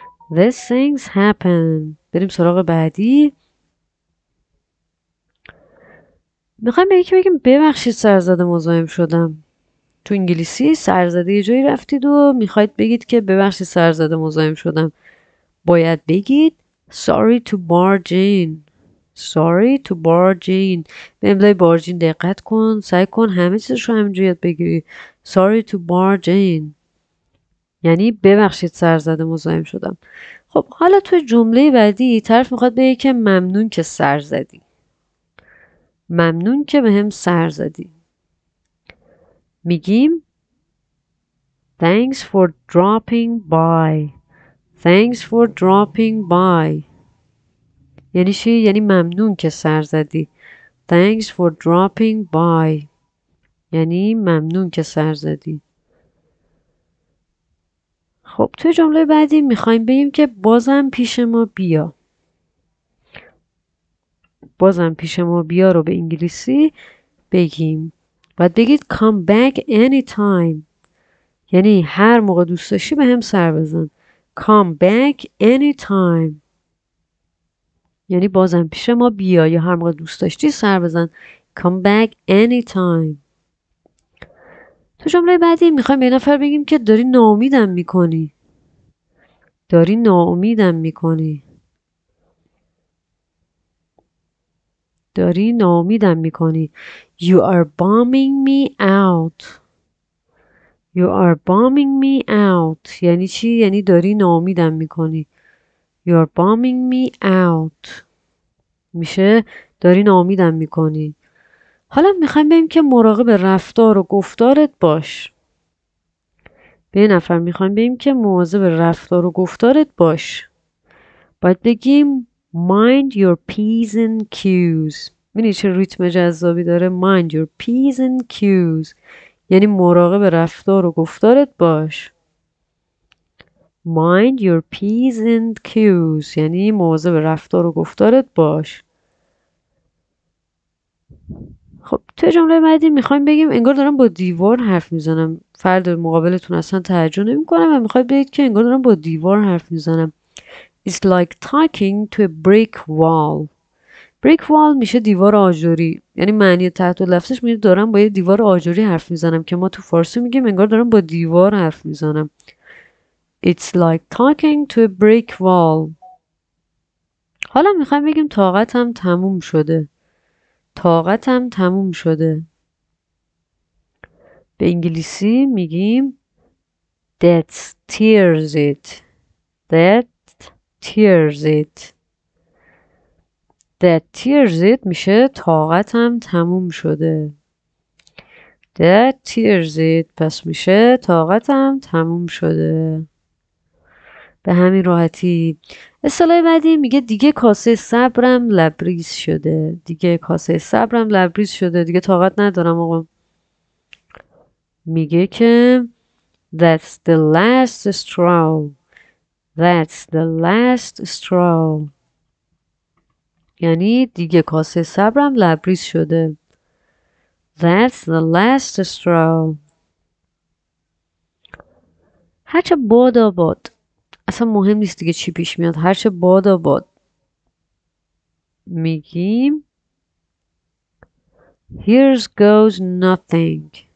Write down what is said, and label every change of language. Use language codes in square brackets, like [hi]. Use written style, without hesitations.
[en] These things happen. [fa] بریم سراغ بعدی. میخوام به یکی بگیم ببخشید سرزده مزاحم شدم. تو انگلیسی سرزده یه جایی رفتید و میخواید بگید که ببخشید سرزده مزاحم شدم. باید بگید [en] Sorry to barge in. Sorry to barge in. [fa] به املای barge in دقت کن. سعی کن همه چیزش رو همینجوری یاد بگیری. [en] Sorry to barge in. [fa] یعنی ببخشید سرزده مزاحم شدم. خب حالا تو جمله بعدی طرف میخواد بگه که ممنون که سر زدی، ممنون که به هم سر زدی. میگیم [en] Thanks for dropping by. Thanks for dropping by. [fa] یعنی چی؟ یعنی ممنون که سر زدی. [en] Thanks for dropping by. [fa] یعنی ممنون که سر زدی. خب توی جمله بعدی میخوایم بگیم که بازم پیش ما بیا. بازم پیش ما بیا رو به انگلیسی بگیم. باید بگید [en] come back anytime. [fa] یعنی هر موقع دوست داشتی به هم سر بزن. [en] Come back anytime. [fa] یعنی بازم پیش ما بیا یا هر موقع دوست داشتی سر بزن. [en] Come back anytime. [fa] تو جمله بعدی میخوایم به نفر بگیم که داری ناامیدم میکنی. داری ناامیدم میکنی. داری ناامیدم میکنی. [en] You are bumming me out. You are bumming me out. [fa] یعنی چی؟ یعنی داری ناامیدم میکنی. [en] You are bumming me out. [fa] میشه داری ناامیدم میکنی. حالا میخوایم بگیم که مراقب رفتار و گفتارت باش. به یه نفر میخوایم بگیم که مواظب رفتار و گفتارت باش. باید بگیم [en] Mind your P's and Q's. [fa] میبینی چه ریتم جذابی داره؟ [en] Mind your P's and Q's. [fa] یعنی مراقب رفتار و گفتارت باش. [en] Mind your P's and Q's. [fa] یعنی مواظب رفتار و گفتارت باش. خب تو جمله بعدی میخوایم بگیم انگار دارم با دیوار حرف میزنم. فرد مقابلتون اصلا توجه نمیکنه و میخواید بگید که انگار دارم با دیوار حرف میزنم. [en] It's like talking to a brick wall. [fa] Brick wall میشه دیوار آجوری. یعنی معنی تحت لفظش میگه دارم با یه دیوار آجوری حرف میزنم، که ما تو فارسی میگیم انگار دارم با دیوار حرف میزنم. [en] It's like talking to a brick wall. [fa] حالا میخوایم بگیم طاقتم تموم شده. طاقتم تموم شده. به انگلیسی میگیم [en] That tears it. That tears it. That tears it [fa] میشه طاقتم تموم شده. [en] That tears it [fa] پس میشه طاقتم تموم شده. به همین راحتی. اصطلاح بعدی میگه دیگه کاسه صبرم لبریز شده. دیگه کاسه صبرم لبریز شده. دیگه طاقت ندارم آقا. میگه که [en] That's the last straw. That's the last straw. [fa] یعنی دیگه کاسه صبرم لبریز شده. [en] That's the last straw. [fa] هرچه باد آباد. اصلا مهم نیست دیگه چی پیش میاد. هرچه باد آباد. میگیم [en] Here's goes nothing.